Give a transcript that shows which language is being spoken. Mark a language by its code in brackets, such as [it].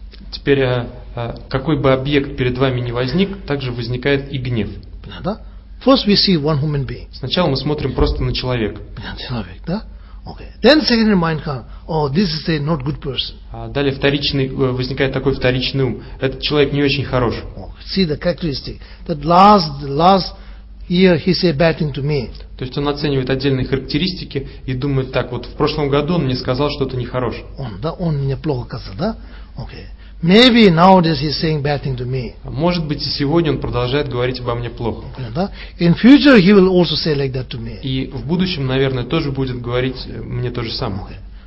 [ru] Теперь, какой бы объект перед вами ни возник, также возникает и гнев. Понятно, да? [en] First we see one human being. [ru] Сначала мы смотрим просто на человека. Понятно, человек, да? [en] Okay. Then secondary mind comes. Oh, this is a not good person. [ru] Далее возникает такой вторичный ум. Этот человек не очень хорош. [en] Oh, see the characteristic. That last year he said bad thing to me. [ru] То есть он оценивает отдельные характеристики и думает так вот. В прошлом году он мне сказал что-то нехорошее. Он мне плохо сказал, да? [en] Okay. Maybe nowadays he's saying bad thing to me. [ru] Может быть, и сегодня он продолжает говорить обо мне плохо. [en] In future he will also say like that to me. [ru] И в будущем, наверное, тоже будет говорить мне то же самое.